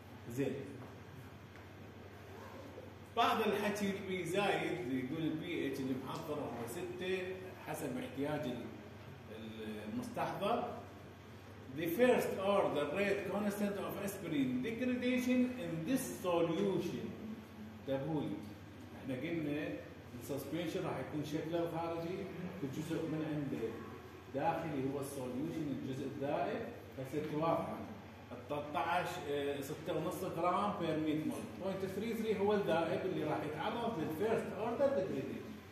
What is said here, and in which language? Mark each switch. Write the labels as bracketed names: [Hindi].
[Arabic] زين بعض الحكي البي زايد يقول البي اتش اللي محضر هو 6 حسب احتياج المستحضر. [English] The first order rate constant of aspirin degradation in this solution. [Arabic] تبوي احنا قلنا السسبنشن راح يكون شكله خارجي والجزء من عنده داخلي هو السوليوشن الجزء الدائب، بس اتوقع 6.5 غرام بير 100 مول، 0.33 هو الذائب اللي راح يتعرض للفيرست اوردر ديجريديشن.